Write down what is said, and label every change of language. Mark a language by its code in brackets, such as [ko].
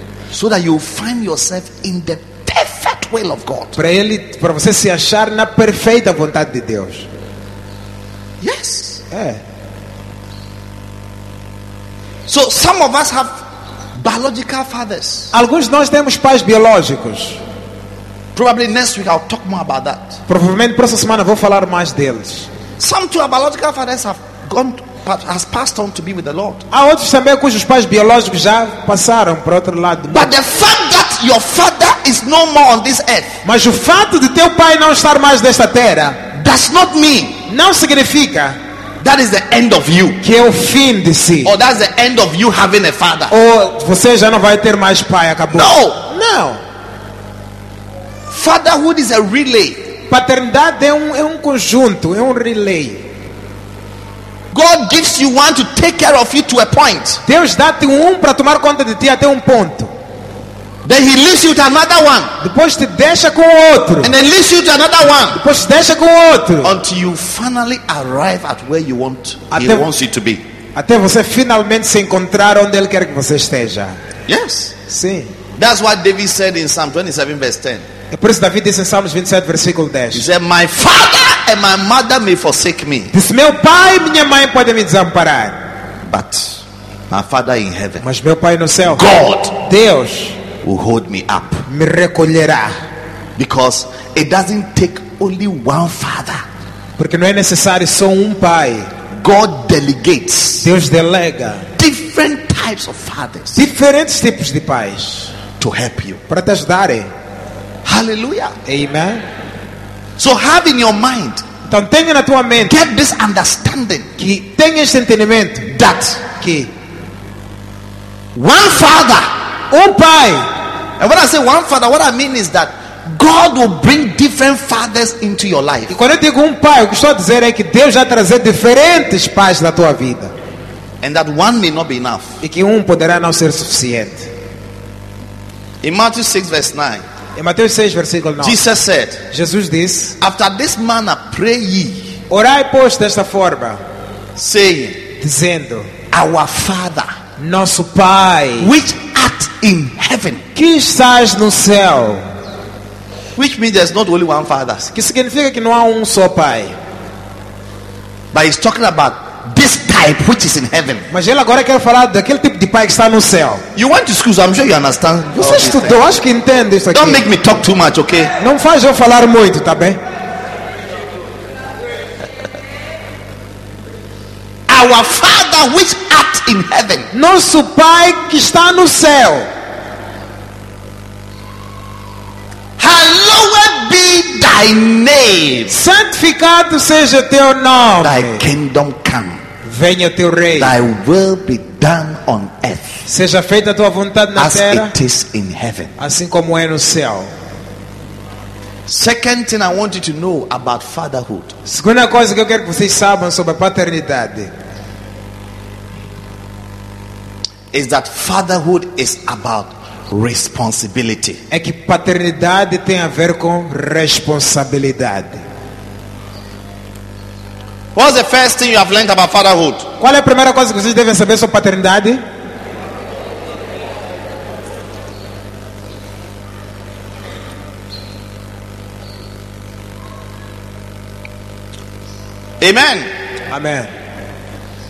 [en] So that you find yourself in the perfect will of God. [pt] Para ele, para você se achar na perfeita vontade de Deus. [en] Yes. [pt] É. [en] So some of us have biological fathers. [pt] Alguns de nós temos pais biológicos. [en] Probably next week I'll talk more about that. [pt] Provavelmente próxima semana vou falar mais deles. [en] Some two biological fathers have has passed on to be with the Lord. [pt] Há outros também cujos pais biológicos já passaram para outro lado. [en] But the fact that your father is no more on this earth. [pt] Mas o fato de teu pai não estar mais nesta terra [en] does not mean. [pt] Não significa. [en] That is the end of you. [pt] Que é o fim de si. [en] Or that's the end of you having a father. [pt] Ou você já não vai ter mais pai, acabou. [en] No. No. Fatherhood is a relay. [pt] Paternidade é um conjunto, é um relay. [en] God gives you one to take care of you to a point. [pt] Deus dá-te para tomar conta de ti até ponto. [en] Then he leaves you to another one. [pt] Depois te deixa com outro. [en] And then leaves you to another one. [pt] Depois te deixa com outro. [en] Until you finally arrive at where you want. [pt] Até, [en] he wants you to be. [pt] Até você finalmente se encontrar onde ele quer que você esteja. [en] Yes. [pt] Sim. [en] That's what David said in Psalm 27 verse 10. [pt] É por isso David disse em Salmos 27 versículo 10. [en] He said, "My father and my mother may forsake me." [pt] Disse, meu pai e minha mãe podem me desamparar. [en] But my father in heaven. [pt] Mas meu pai no céu. [en] God. [pt] Deus. [en] Will hold me up. [pt] Me recolherá. [en] Because it doesn't take only one father. [pt] Porque não é necessário só pai. [en] God delegates. [pt] Deus delega. [en] Different types of fathers. [pt] Diferentes tipos de pais. [en] To help you. [pt] Para te ajudar. [en] Hallelujah. [pt] Amen. [en] So have in your mind. [pt] Então tenha na tua mente. [en] Get this understanding. [pt] Que tenha este entendimento. [en] That. [pt] Que. [en] One father. [pt] Pai. [en] And when I say one father, what I mean is that God will bring different fathers into your life. [pt] E quando eu digo pai, o que estou a dizer é que Deus vai trazer diferentes pais na tua vida. [en] And that one may not be enough. [pt] E que poderá não ser suficiente. [en] In Matthew 6 verse 9. [pt] Em Mateus 6 versículo 9. [en] Jesus said. [pt] Jesus disse. [en] After this manner pray ye. [pt] Orai pois desta forma. [en] Saying. [pt] Dizendo. [en] Our Father. [pt] Nosso Pai. [en] Which art in heaven. [pt] Que estás no céu. [en] Which means there's not only one father. [pt] Que significa que não há só pai. [en] But he's talking about this type which is in heaven. [pt] Mas ele agora quer falar daquele tipo de pai que está no céu. [en] You want to excuse? I'm sure you understand. [pt] Você estudou, acho que entende isso aqui. [en] Don't make me talk too much, okay? [pt] Não faz eu falar muito, tá bem? [en] Our Father which art in heaven. [pt] Nosso Pai que está no céu. [en] Hallowed be thy name. [pt] Santificado seja teu nome. [en] Thy kingdom come. [pt] Venha teu reino. [en] Thy will be done on earth. [pt] Seja feita a tua vontade na terra. [en] As it is in heaven. [pt] Assim como é no céu. [en] Second thing I want you to know about fatherhood. [pt] Segunda coisa que eu quero que vocês saibam sobre a paternidade. [en] Is that fatherhood is about responsibility. [pt] É que paternidade tem a ver com responsabilidade. [en] What's the first thing you have learned about fatherhood? [pt] Qual é a primeira coisa que vocês devem saber sobre paternidade? [en] Amen. [pt] Amen.